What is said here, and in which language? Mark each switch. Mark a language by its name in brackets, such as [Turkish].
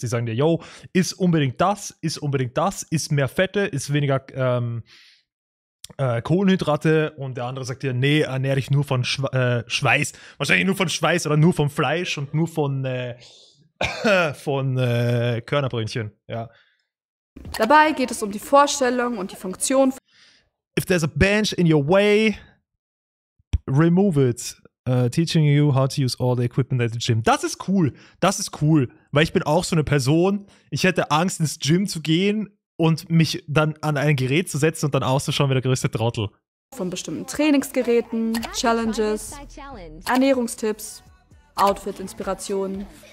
[German] Die sagen dir, yo, ist unbedingt das, ist unbedingt das, ist mehr Fette, ist weniger Kohlenhydrate und der andere sagt dir, nee, ernähr dich nur von Schweiß. Wahrscheinlich nur von Schweiß oder nur vom Fleisch und nur von Körnerbrötchen, ja. Dabei geht es um die Vorstellung und die Funktion. [English] If there's a bench in your way, remove it. Teaching you how to use all the equipment at the gym. [German] Das ist cool. Das ist cool. Weil ich bin auch so eine Person. Ich hätte Angst, ins Gym zu gehen und mich dann an ein Gerät zu setzen und dann auszuschauen wie der größte Trottel. Von bestimmten Trainingsgeräten, Challenges, Ernährungstipps, Outfit-Inspirationen.